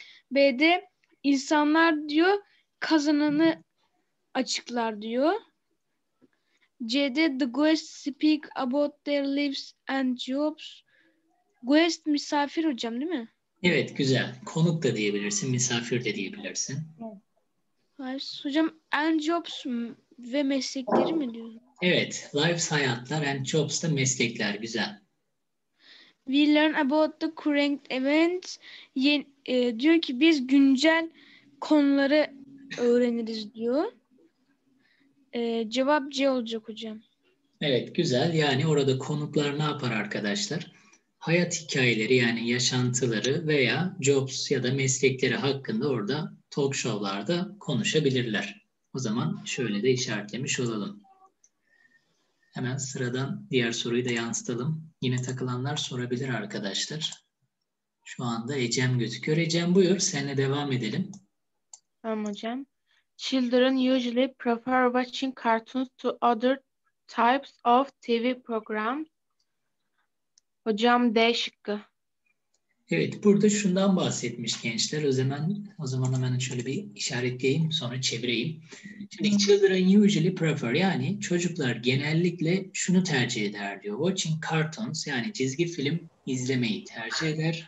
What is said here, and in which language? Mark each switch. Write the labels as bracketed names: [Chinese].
[Turkish] B'de insanlar diyor kazananı açıklar diyor. [English] C'de the guests speak about their lives and jobs. [Turkish] Guest misafir hocam değil mi? Evet, güzel. Konuk da diyebilirsin, misafir de diyebilirsin. Evet. Hocam and jobs ve meslekleri mi diyor? Evet, lives hayatlar and jobs da meslekler, güzel. [English] We learn about the current events. [Turkish] Diyor ki biz güncel konuları öğreniriz diyor. Cevap C olacak hocam. Evet, güzel. Yani orada konuklar ne yapar arkadaşlar? Hayat hikayeleri, yani yaşantıları veya jobs ya da meslekleri hakkında orada talk show'larda konuşabilirler. O zaman şöyle de işaretlemiş olalım. Hemen sıradan diğer soruyu da yansıtalım. Yine takılanlar sorabilir arkadaşlar. Şu anda Ecem gözüküyor. Ecem buyur, seninle devam edelim. Tamam hocam. [English] Children usually prefer watching cartoons to other types of TV programs. [Turkish] Hocam D şıkkı. Evet, burada şundan bahsetmiş gençler. O zaman hemen şöyle bir işaretleyeyim, sonra çevireyim. Şimdi children usually prefer, yani çocuklar genellikle şunu tercih eder diyor. Watching cartoons, yani çizgi film izlemeyi tercih eder.